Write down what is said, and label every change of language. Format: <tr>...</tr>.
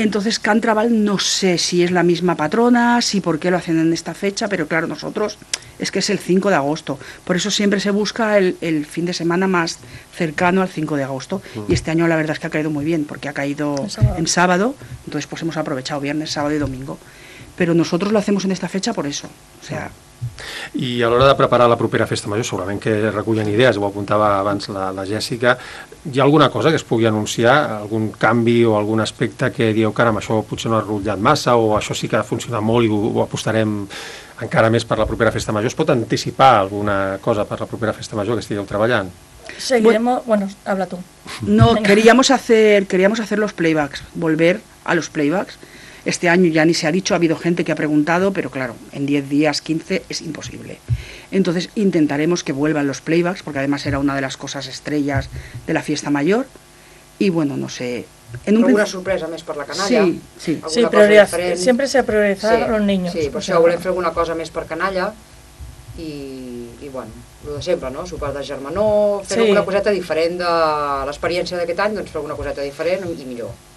<es>Entonces, Can Trabal, no sé si es la misma patrona, si por qué lo hacen en esta fecha, pero claro, nosotros, es que es el 5 de agosto, por eso siempre se busca el fin de semana más cercano al 5 de agosto, y este año la verdad es que ha caído muy bien, porque ha caído en sábado, entonces pues hemos aprovechado viernes, sábado y domingo, pero nosotros lo hacemos en esta fecha por eso, o sea...</es> <ca>I a l'hora de preparar la propera festa major, segurament que recullen idees, ho apuntava abans la Jèssica, hi ha alguna cosa que es pugui anunciar, algun canvi o algun aspecte que dieu, caram, això potser no ha rutllat massa o això sí que ha funcionat molt i ho apostarem encara més per la propera festa major? Es pot anticipar alguna cosa per la propera festa major que estigueu treballant?</ca> <es>Seguiremos, bueno, habla tú. No, queríamos hacer los playbacks, volver a los playbacks. Este año ya ni se ha dicho, ha habido gente que ha preguntado, pero claro, en 10 días, 15, es imposible. Entonces intentaremos que vuelvan los playbacks, porque además era una de las cosas estrellas de la fiesta mayor. Y bueno, no sé...</es> <ca>¿Alguna sorpresa més per la canalla? Sí, sí. Sí, prioritat. Sempre s'ha prioritzat els niños. Sí, per això volem fer alguna cosa més per canalla. I bueno, el de sempre, no? Sopar de germanor, fer alguna coseta diferent de l'experiència d'aquest any, doncs fer alguna coseta diferent i millor.</ca>